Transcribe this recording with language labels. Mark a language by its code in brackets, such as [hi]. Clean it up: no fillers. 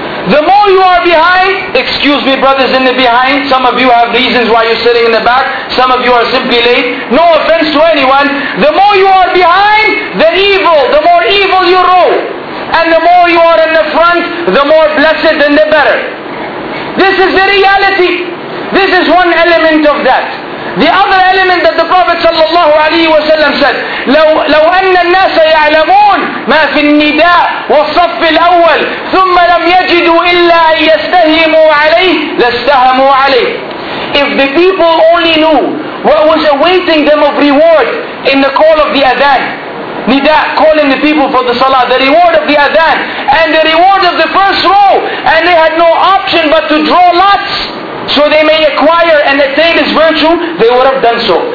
[en] The more you are behind, excuse me brothers in the behind, some of you have reasons why you're sitting in the back, some of you are simply late, no offense to anyone. The more you are behind, the more evil your row. And the more you are in the front, the more blessed and the better. This is the reality. This is one element of that. The other element that the Prophet sallallahu alaihi wasallam said, [ar] لو أن الناس يعلمون ما في النداء والصف الأول ثم لم يجدوا إلا أن يستهموا عليه لاستهموا عليه. [en] If the people only knew what was awaiting them of reward in the call of the adhan, nida, calling the people for the salah, the reward of the adhan and the reward of the first row, and they had no option but to draw lots so they may acquire and attain this virtue, they would have done so.